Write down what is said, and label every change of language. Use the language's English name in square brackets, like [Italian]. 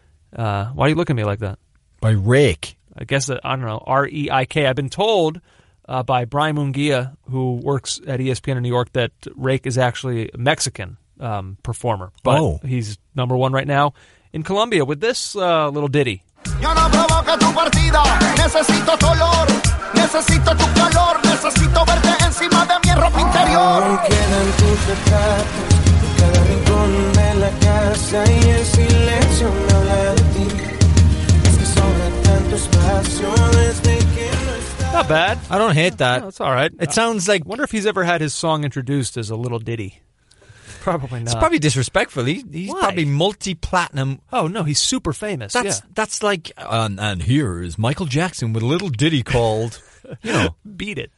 [English] Why are you looking at me like that? By Rake. I guess, I don't know, R-E-I-K. I've been told by Brian Munguia, who works at ESPN in New York, that Rake is actually a Mexican performer. But he's number one right now in Colombia with this little ditty. [Spanish] Yo no provoca tu partida, necesito tu olor, necesito tu calor, necesito verte encima de mi ropa interior. Aún quedan tus retratos, cada rincón de la casa y el silencio me habla de ti. Es que sobra tanto espacio desde que... [English] Not bad. I don't hate that. No, it's all right. It sounds like... I wonder if he's ever had his song introduced as a little ditty. Probably not. It's probably disrespectful. He's Why? Probably multi-platinum. Oh, no, he's super famous. That's like... And here is Michael Jackson with a little ditty called... Beat It.